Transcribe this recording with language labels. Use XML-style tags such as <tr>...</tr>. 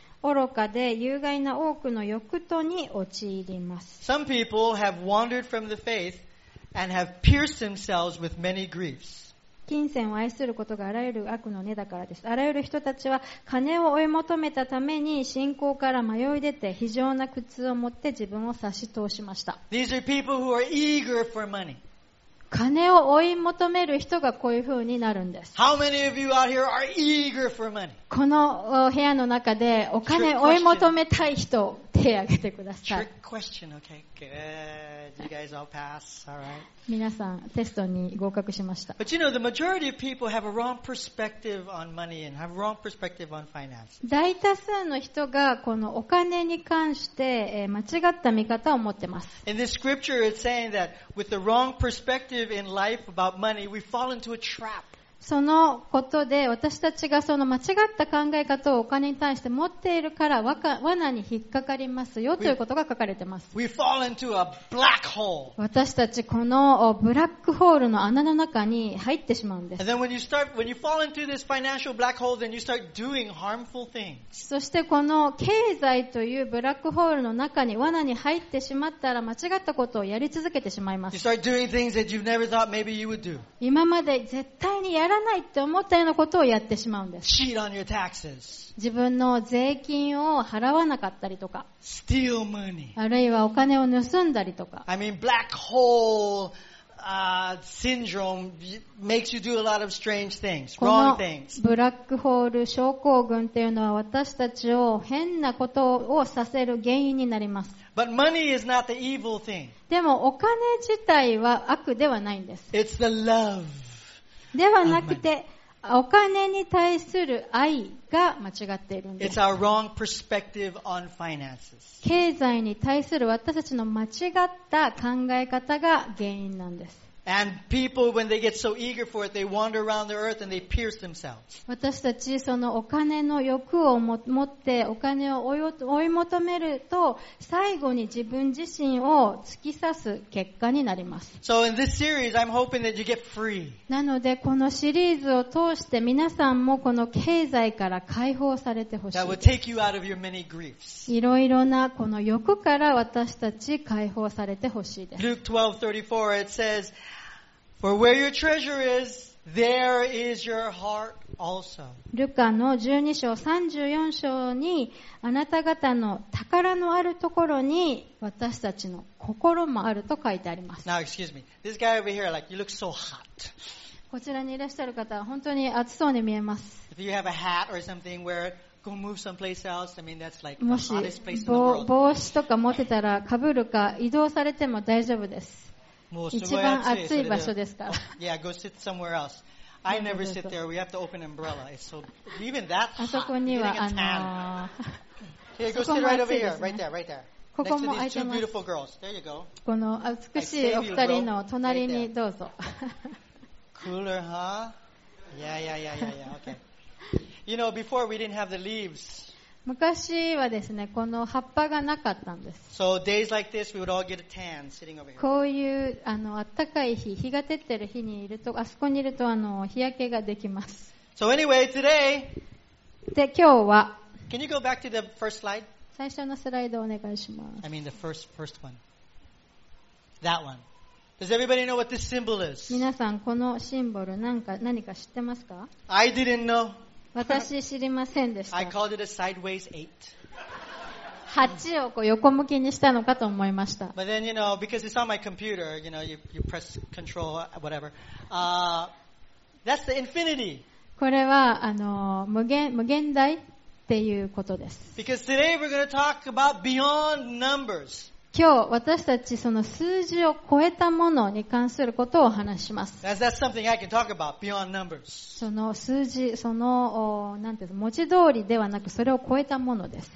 <ja>愚かで有害な多くの欲とに陥ります。</ja> <en>Some people have wandered from the faith and have pierced themselves with many griefs.</en> <ja>金銭を愛することがあらゆる悪の根だからです。あらゆる人たちは金を追い求めたために信仰から迷い出て非常な苦痛を持って自分を差し通しました。</ja> <en>These are people who are eager for money.</en> <ja>金を追い求める人がこういう風になるんです。</ja> <en>How many of you out here are eager for money?</en> <ja>この部屋の中でお金を追い求めたい人、手を挙げてください。</ja> <en>Trick question, okay, good. You guys all pass, all right.</en> <ja>皆さん、テストに合格しました。</ja> <en>But you know, the majority of people have a wrong perspective on money and have a wrong perspective on finance.</en> <ja>大多数の人がこのお金に関して間違った見方を持ってます。</ja> <en>In this scripture, it's saying that with the wrong perspective in life about money, we fall into a trap.</en> <ja>そのことで私たちがその間違った考え方をお金に対して持っているから罠に引っかかりますよということが書かれています。</ja> <en>we fall into a black hole.</en> <ja>私たちこのブラックホールの穴の中に入ってしまうんです。</ja> <en>And then when you fall into this financial black hole, then you start doing harmful things.</en> <ja>そしてこの経済というブラックホールの中に罠に入ってしまったら間違ったことをやり続けてしまいます。</ja> <en>You start doing things that you've never thought maybe you would do.</en> <ja>今まで絶対にやらないって思ったようなことをやってしまうんです。</ja> <en>Cheat on your taxes.</en> <ja>自分の税金を払わなかったりとか、</ja> <en>Steal money.</en> <ja>あるいはお金を盗んだりとか、</ja> <en>I mean, black hole, syndrome makes you do a lot of strange things, wrong things.</en> <ja>ブラックホール症候群っていうのは私たちを変なことをさせる原因になります。</ja> <en>But money is not the evil thing.</en> <ja>でもお金自体は悪ではないんです。</ja> <en>It's the love.</en> <ja>ではなくてお金に対する愛が間違っているんです。</ja> <en>It's our wrong perspective on finances.</en> <ja>経済に対する私たちの間違った考え方が原因なんです。</ja> <en>And people, when they get so eager for it, they wander around the earth and they pierce themselves.</en> <ja>私たちそのお金の欲を持ってお金を追い求めると最後に自分自身を突き刺す結果になります。</ja> <en>So in this series, I'm hoping that you get free.</en> <ja>なのでこのシリーズを通して皆さんもこの経済から解放されてほしい。</ja> <en>That will take you out of your many griefs.</en> <ja>いろいろなこの欲から私たち解放されてほしいです。</ja> <en>Luke 12:34 it says, For where your treasure is, there is your heart also.</en> <ja>ルカの12章34章にあなた方の宝のあるところに私たちの心もあると書いてあります。</ja> <en>Now excuse me, this guy over here, like, you look so hot.</en> <ja>こちらにいらっしゃる方は本当に暑そうに見えます。</ja> <en>If you have a hat or something, wear it, go move someplace else. I mean, that's like the hottest place in the world.</en> <ja>もし帽子とか持てたら被るか移動されても大丈夫です。もうすごい暑い。一番暑い場所ですから。</ja> <en>Yeah, go sit somewhere else. I never sit there. We have to open umbrella. It's so even that hot.</en> <ja>あそこには</ja> <en>getting a tan. Here, go sit right over here. Right there.</en> <ja>ここ</ja> <en>Next to these two beautiful girls. There you go.</en> <ja>この美しいお二人の隣にどうぞ。</ja> <en>Cooler, huh? Yeah. Okay. You know, before we didn't have the leaves.</en> <ja>昔はですね、この葉っぱがなかったんです。</ja> <en>So days like this, we would all get a tan sitting over here.</en> <ja>こういうあの暖かい日、日が照ってる日にいるとあそこにいるとあの日焼けができます。</ja> <en>So anyway, today.</en> <ja>で今日は。</ja> <en>Can you go back to the first slide?</en> <ja>最初のスライドお願いします。</ja> <en>I mean the first one. That one. Does everybody know what this symbol is?</en> <ja>皆さんこのシンボル何か知ってますか</ja> <en>？I didn't know.</en> <ja>私知りませんでした。</ja> <en>I called it a sideways eight.</en> <ja>八をこう横向きにしたのかと思いました。</ja> <en>But then you know, because it's on my computer, you know, you press control whatever. That's the infinity.</en> <ja>これはあの無限大っていうことです。</ja> <en>Because today we're going to talk about beyond numbers.</en> <ja>今日私たちその数字を超えたものに関することを話します。</ja> <en>That's something I can talk about, beyond numbers.</en> <ja>その数字、その、なんていうの、文字通りではなく、それを超えたものです。</ja>